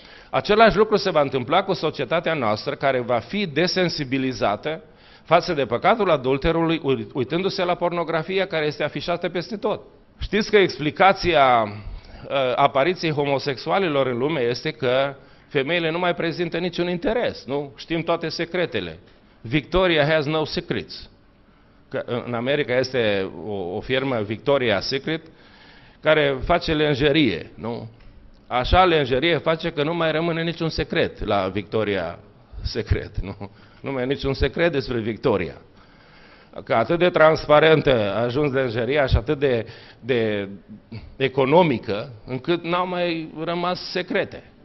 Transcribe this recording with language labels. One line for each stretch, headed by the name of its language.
Romanian: Același lucru se va întâmpla cu societatea noastră care va fi desensibilizată față de păcatul adulterului, uitându-se la pornografia care este afișată peste tot. Știți că explicația apariției homosexualilor în lume este că femeile nu mai prezintă niciun interes, nu? Știm toate secretele.
English: Victoria has no secrets.
Romanian: Că în America este o firmă, Victoria's Secret, care face lenjerie, nu? Așa lenjerie face că nu mai rămâne niciun secret la Victoria Secret, nu? Nu mai e niciun secret despre Victoria. Că atât de transparentă a ajuns lenjeria și atât de economică, încât n-au mai rămas secrete.